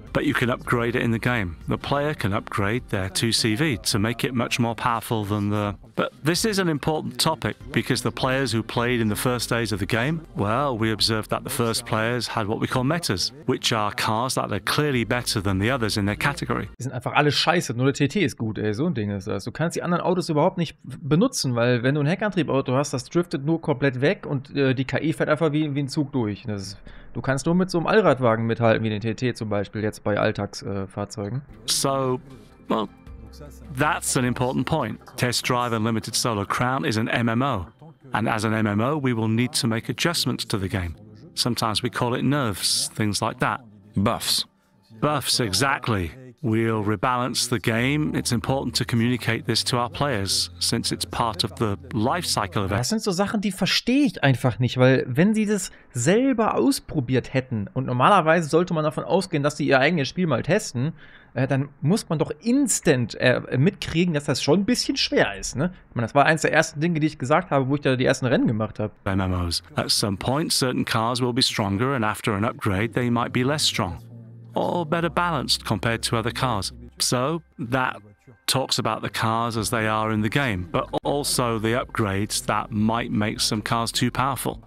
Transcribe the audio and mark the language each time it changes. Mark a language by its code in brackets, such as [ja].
[en] But you can upgrade it in the game. The player can upgrade their 2 CV to make it much more powerful than the... But this is an important topic because the players who played in the first days of the game, well, we observed that the first players had what we call metas, which are cars that are clearly better than the others in their category. [de] Die sind einfach alle scheiße. Nur der TT ist gut, ey. So ein Ding ist das. Du kannst die anderen Autos überhaupt nicht benutzen, weil wenn du ein Heckantriebauto hast, das driftet nur komplett weg und die KI fährt einfach wie ein Zug durch. Das ist, du kannst nur mit so einem Allradwagen mithalten, wie den TT zum Beispiel, jetzt bei Alltagsfahrzeugen. [en] So, well, that's an important point. Test Drive Unlimited Solo Crown is an MMO. And as an MMO, we will need to make adjustments to the game. Sometimes we call it nerfs, things like that. Buffs. Buffs, exactly. We'll rebalance the game. It's important to communicate this to our players, since it's part of the life cycle of it. [de] Das sind so Sachen, die verstehe ich einfach nicht, weil wenn sie das selber ausprobiert hätten, und normalerweise sollte man davon ausgehen, dass sie ihr eigenes Spiel mal testen, dann muss man doch instant mitkriegen, dass das schon ein bisschen schwer ist, ne? Ich meine, das war eins der ersten Dinge, die ich gesagt habe, wo ich da die ersten Rennen gemacht habe. [en] MMOs. At some point, certain cars will be stronger, and after an upgrade, they might be less strong. Or better balanced compared to other cars. So that talks about the cars as they are in the game, but also the upgrades that might make some cars too powerful.